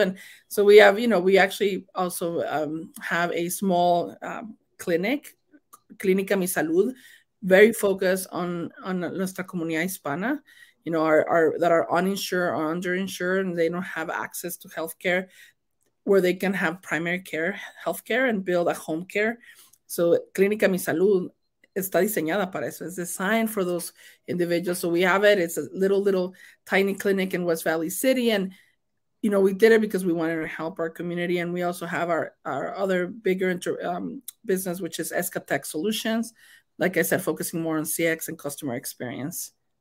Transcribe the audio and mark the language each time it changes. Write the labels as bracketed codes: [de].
[en] And so we have, you know, we actually also have a small clinic, Clinica Mi Salud, very focused on [es] nuestra comunidad hispana, [en] you know, that are uninsured or underinsured, and they don't have access to healthcare, where they can have primary care healthcare and build a home care. [es] So Clinica Mi Salud está diseñada para eso. [en] It's designed for those individuals. So we have it. It's a little tiny clinic in West Valley City. And, you know, we did it because we wanted to help our community. And we also have our other bigger business, which is Escatech Solutions. Like I said, focusing more on CX and customer experience.